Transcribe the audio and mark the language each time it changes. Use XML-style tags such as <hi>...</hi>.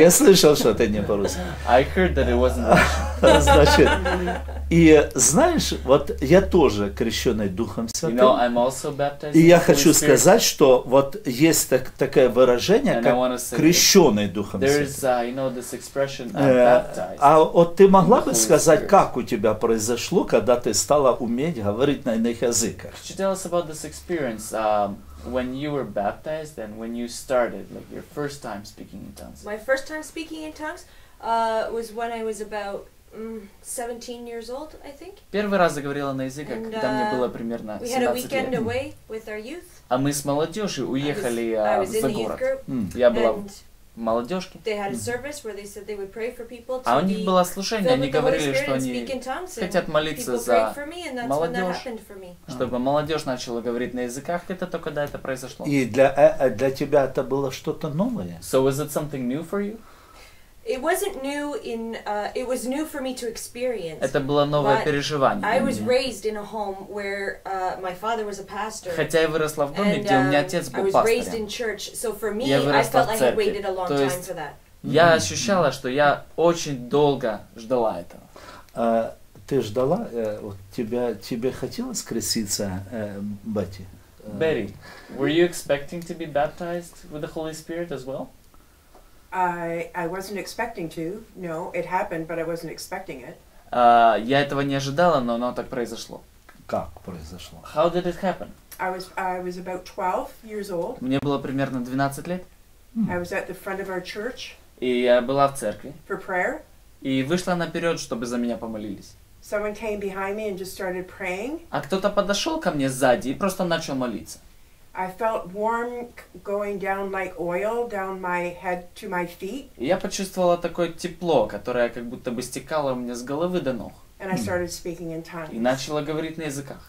<ru>Я слышал, что это не по-русски.</ru> <en>I heard that it wasn't Russian.</en> <ru>Значит, и знаешь, вот я тоже крещенный Духом Святым.</ru> <en>You know, I'm also baptized.</en> <ru>И я хочу сказать, что вот есть такое выражение, как крещенный Духом Святым.</ru> <en>There is, you know, this expression, I'm baptized.</en> <ru>А вот ты могла бы сказать, как у тебя произошло, когда ты стала уметь говорить на иных языках?</ru> <en>Could you tell us about this experience when you were baptized and when you started, like your first time speaking in tongues? My first time speaking in tongues was when I was about 17 years old, I think.</en> <ru>Первый раз заговорила на языках, когда мне было примерно 17 лет.</ru> <en>We had a weekend away with our youth.</en> <ru>А мы с молодежью уехали за город. Я была молодежки.</ru> <en>They had a service where they said they would pray for people to</en> <ru>А у них было служение, они говорили, что они хотят молиться за молодежь, чтобы молодежь начала говорить на языках. Это только когда это произошло. И для тебя это было что-то новое?</ru> <en>So was it something new for you? It wasn't new in it was new for me to experience.</en> <ru>Это было новое переживание.</ru> <en>I was raised in a home where my father was a pastor.</en> <ru>Хотя я выросла в доме, где у меня отец был пастором.</ru> <en>I was raised in church, so for me I felt like I waited a long time for that.</en> <ru>Я ощущала, что я очень долго ждала этого. Ты ждала, вот тебе хотелось креститься, Бетти?</ru> <en>Betty, were you expecting to be baptized with the Holy Spirit as well? I wasn't expecting to. No, it happened, but I wasn't expecting it.</en> <ru>Я этого не ожидала, но оно так произошло. Как произошло?</ru> <en>How did it happen? I was about 12 years old.</en> <ru>Мне было примерно 12 лет.</ru> <en>I was at the front of our church.</en> <ru>И я была в церкви.</ru> <en>For prayer.</en> <ru>И вышла наперед, чтобы за меня помолились.</ru> <en>Someone came behind me and just started praying.</en> <ru>А кто-то подошел ко мне сзади и просто начал молиться.</ru> <en>I felt warm going down like oil down my head to my feet.</en> <ru>Я почувствовала такое тепло, которое как будто бы стекало у меня с головы до ног.</ru> <en>And I started speaking in tongues.</en> <ru>И начала говорить на языках.</ru>